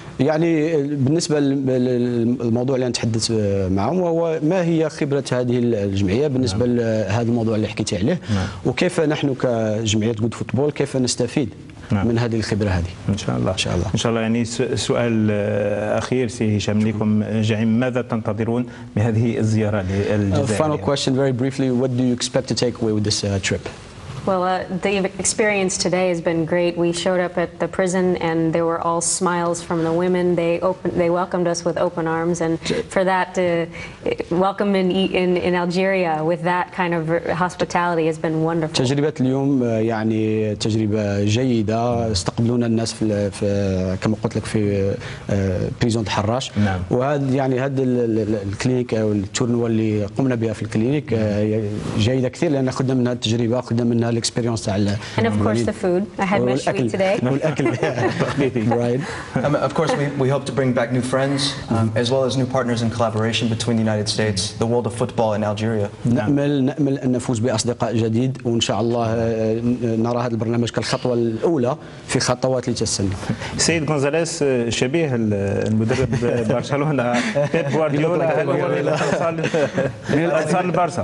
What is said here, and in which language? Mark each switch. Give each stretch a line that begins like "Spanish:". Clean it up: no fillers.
Arabic: يعني بالنسبة للموضوع اللي نتحدث معه وهو ما هي خبرة هذه الجمعية بالنسبة لهذا الموضوع اللي حكيت عليه، وكيف نحن كجمعية جود فوتبول كيف نستفيد من هذه الخبرة هذه. إن شاء الله. إن شاء الله. إن شاء الله. يعني سؤال أخير سي هشام لكم جميعا، ماذا تنتظرون من هذه الزيارة للجزائر؟
English: Final question very briefly, what do you expect to take away with this trip? Well, the experience today has been great. We showed up at the prison and there were all smiles from the women. They welcomed us with open arms, and for that welcome in Algeria with that kind of hospitality has been wonderful.
Arabic: تجربة اليوم يعني تجربة جيدة. استقبلونا الناس في كما قلت لك في بريزون الحراش. نعم. وهذا يعني هذا الكلينيك او التورنوا اللي قمنا بها في الكلينيك جيدة كثير، لان خدنا منها التجربة، خدنا منها الاكسبيرينس تاع.
English: And of course the food. I had my sweet today.
Arabic: والاكل.
English: Right. Of course we hope to bring back new friends as well as new partners in collaboration between the United States, the world of football and Algeria.
Arabic: نأمل ان نفوز باصدقاء جديد، وان شاء الله نرى هذا البرنامج كالخطوه الاولى في خطوات لتسنى. سيد غونزاليس شبيه المدرب برشلونه بيب غوارديولا، هل هو من الاطفال البارسا؟